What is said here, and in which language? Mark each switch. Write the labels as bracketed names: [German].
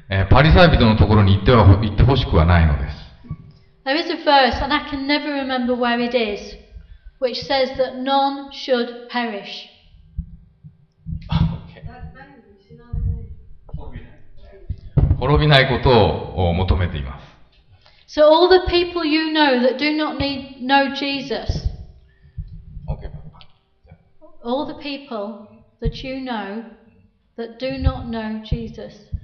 [Japanese] パリサイ人のところに行っては、行ってほしくはないのです。 [English] There is a verse, and I can never remember where it is, which says that none should perish. [Japanese] Okay. 滅びないことを求めています。 [English] So all the people you know that do not need know Jesus. Okay. All the people that you know that do not know Jesus.